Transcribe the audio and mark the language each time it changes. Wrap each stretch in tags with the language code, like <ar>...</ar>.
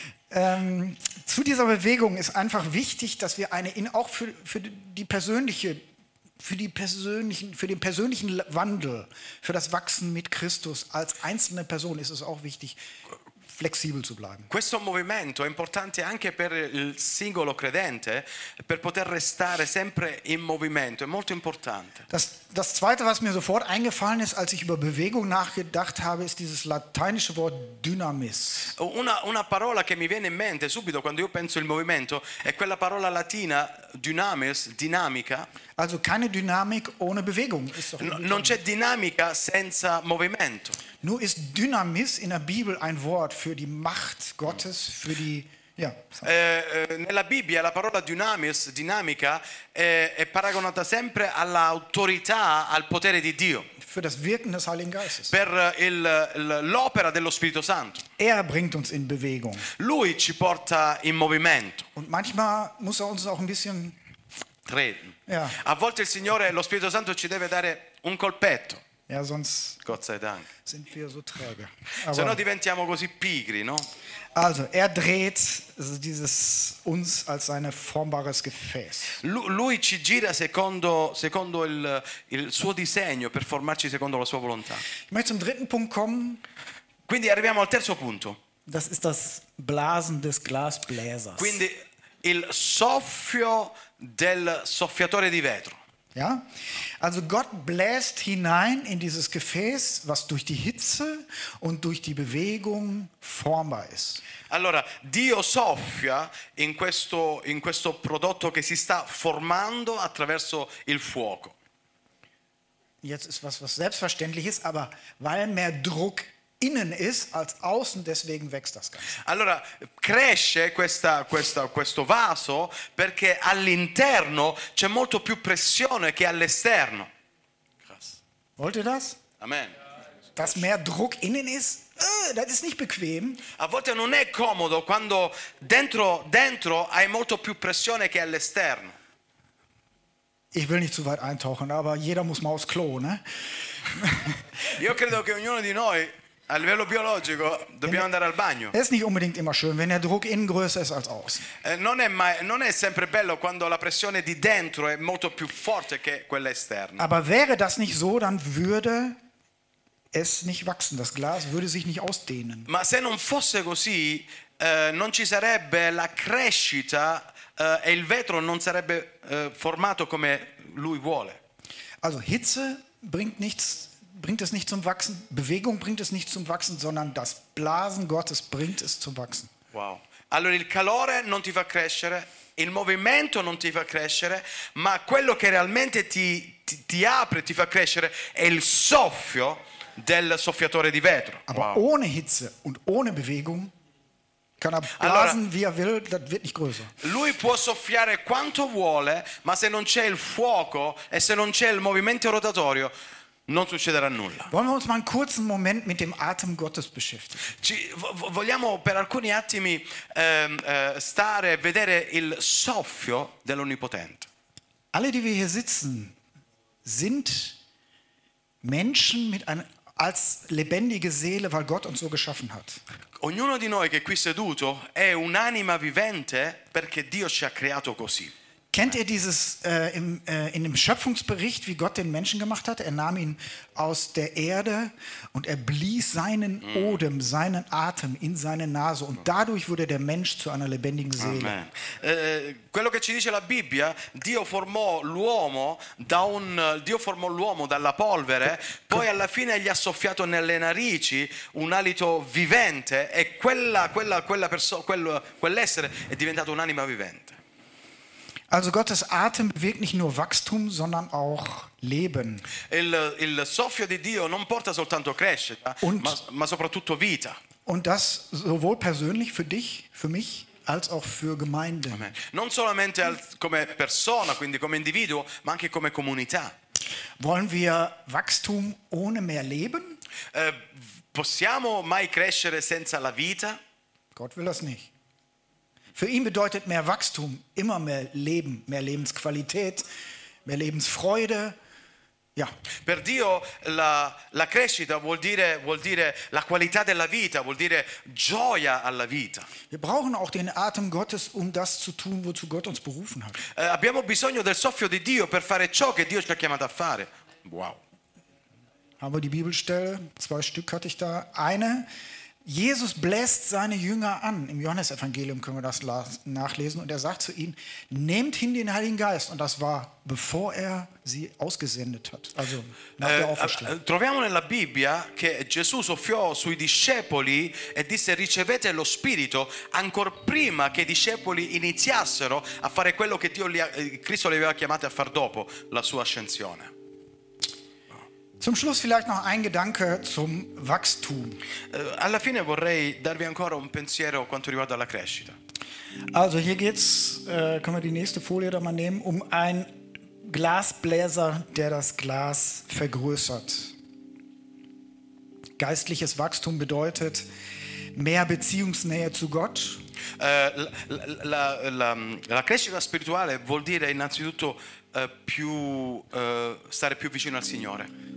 <de>zu dieser Bewegung ist einfach wichtig, dass wir eine auch für den persönlichen Wandel, für das Wachsen mit Christus als einzelne Person ist es auch wichtig, flexibel zu bleiben.</de> <it>Questo movimento è importante anche per il singolo credente, per poter restare sempre in movimento, è molto importante.</it> <de>Das zweite, was mir sofort eingefallen ist, als ich über Bewegung nachgedacht habe, ist dieses lateinische Wort Dynamis.</de> <it>Una parola che mi viene in mente subito quando io penso il movimento è quella parola latina Dynamis, dinamica.</it> <de>Also keine Dynamik ohne Bewegung.</de> <it>Non c'è dinamica senza movimento.</it> <de>Nur ist Dynamis in der Bibel ein Wort für die Macht Gottes, für die... Ja,</de> <it>nella Bibbia la parola dynamis, dinamica, è paragonata sempre all'autorità, al potere di Dio.</it> <de>Für das Wirken des Heiligen Geistes.</de> <it>Per l'opera dello Spirito Santo.</it> <de>Er bringt uns in Bewegung.</de> <it>Lui ci porta in movimento.</it> <de>Und manchmal muss er uns auch ein bisschen... treten. Ja.</de> <it>A volte il Signore, lo Spirito Santo, ci deve dare un colpetto.</it> <de>Ja, sonst Gott sei Dank. Sind wir so träge.</de> <it>Aber sennò diventiamo così pigri, no?</it> <de>Also, er dreht dieses uns als seine formbares Gefäß.</de> <it>Lui ci gira secondo il suo disegno per formarci secondo la sua volontà.</it> <de>Ich möchte zum dritten Punkt kommen.</de> <it>Quindi arriviamo al terzo punto.</it> <de>Das ist das Blasen des Glasbläsers.</de> <it>Quindi il soffio del soffiatore di vetro.</it> <de>Ja, also Gott bläst hinein in dieses Gefäß, was durch die Hitze und durch die Bewegung formbar ist.</de> <it>Allora, Dio soffia in questo prodotto che si sta formando attraverso il fuoco.</it> <de>Jetzt ist was selbstverständlich ist, aber weil mehr Druck innen ist als außen, deswegen wächst das Ganze.</de> <it>Allora, cresce questo vaso perché all'interno c'è molto più pressione che all'esterno.</it> <de>Krass. Wollt ihr das? Amen. Dass mehr Druck innen ist, das ist nicht bequem.</de> <it>A volte non è comodo quando dentro hai molto più pressione che all'esterno.</it> <de>Ich will nicht zu weit eintauchen, aber jeder muss mal aufs Klo, ne?</de> <it>Io credo che ognuno di noi a livello biologico dobbiamo andare al bagno.</it> <de>È nicht unbedingt immer schön, wenn der Druck innen größer ist als außen.</de> <it>Non è sempre bello quando la pressione di dentro è molto più forte che quella esterna.</it> <de>Aber wäre das nicht so, dann würde es nicht wachsen. Das Glas würde sich nicht ausdehnen.</de> <it>Ma se non fosse così, non ci sarebbe la crescita e il vetro non sarebbe formato come lui vuole.</it> <de>Also Hitze bringt es nicht zum Wachsen, Bewegung bringt es nicht zum Wachsen, sondern das Blasen Gottes bringt es zum Wachsen. Wow.</de> <it>Allora, il calore non ti fa crescere, il movimento non ti fa crescere, ma quello che realmente ti apre, ti fa crescere, è il soffio del soffiatore di vetro.</it> <de>Aber wow. Ohne Hitze und ohne Bewegung kann er blasen, allora, wie er will, das wird nicht größer.</de> <it>Lui può soffiare quanto vuole, ma se non c'è il fuoco e se non c'è il movimento rotatorio, non succederà nulla.</it> <de>Wollen wir uns mal einen kurzen Moment mit dem Atem Gottes beschäftigen?</de> <it>Vogliamo per alcuni attimi stare a vedere il soffio dell'Onnipotente.</it> <de>Alle, die wir hier sitzen, sind Menschen als lebendige Seele, weil Gott uns so geschaffen hat.</de> <it>Ognuno di noi che è qui seduto è un'anima vivente perché Dio ci ha creato così.</it> <de>Kennt ihr dieses in dem Schöpfungsbericht, wie Gott den Menschen gemacht hat? Er nahm ihn aus der Erde und er blies seinen Odem, seinen Atem in seine Nase und dadurch wurde der Mensch zu einer lebendigen Seele.</de> <it>Quello che ci dice la Bibbia, Dio formò l'uomo da un Dio formò l'uomo dalla polvere, poi alla fine gli ha soffiato nelle narici un alito vivente e quella persona, quell'essere è diventato un'anima vivente.</it> <de>Also Gottes Atem bewirkt nicht nur Wachstum, sondern auch Leben.</de> <it>Il soffio di Dio non porta soltanto crescita, ma soprattutto vita.</it> <de>Und das sowohl persönlich für dich, für mich, als auch für Gemeinde. Amen.</de> <it>Non solamente come persona, quindi come individuo, ma anche come comunità.</it> <de>Wollen wir Wachstum ohne mehr Leben?</de> <it>Possiamo mai crescere senza la vita?</it> <de>Gott will das nicht. Für ihn bedeutet mehr Wachstum immer mehr Leben, mehr Lebensqualität, mehr Lebensfreude. Ja.</de> <it>Per Dio la crescita vuol dire la qualità della vita, vuol dire gioia alla vita.</it> <de>Wir brauchen auch den Atem Gottes, um das zu tun, wozu Gott uns berufen hat.</de> <it>Abbiamo bisogno del soffio di Dio per fare ciò che Dio ci ha chiamato a fare.</it> <de>Wow. Haben wir die Bibelstelle? Zwei Stück hatte ich da. Eine. Jesus bläst seine Jünger an. Im Johannesevangelium können wir das nachlesen. Und er sagt zu ihnen, nehmt hin den Heiligen Geist. Und das war, bevor er sie ausgesendet hat. Also nach der Auferstehung.</de> <it>Troviamo nella Bibbia che Gesù soffiò sui discepoli e disse, ricevete lo Spirito, ancor prima che i discepoli iniziassero a fare quello che Cristo li aveva chiamati a far dopo, la sua ascensione.</it> <de>Zum Schluss vielleicht noch ein Gedanke zum Wachstum.</de> <it>Alla fine vorrei darvi ancora un pensiero quanto riguarda la crescita.</it> <de>Also hier geht's, können wir die nächste Folie da mal nehmen, um einen Glasbläser, der das Glas vergrößert. Geistliches Wachstum bedeutet mehr Beziehungsnähe zu Gott.</de> <it>La crescita spirituale vuol dire innanzitutto stare più vicino al Signore.</it>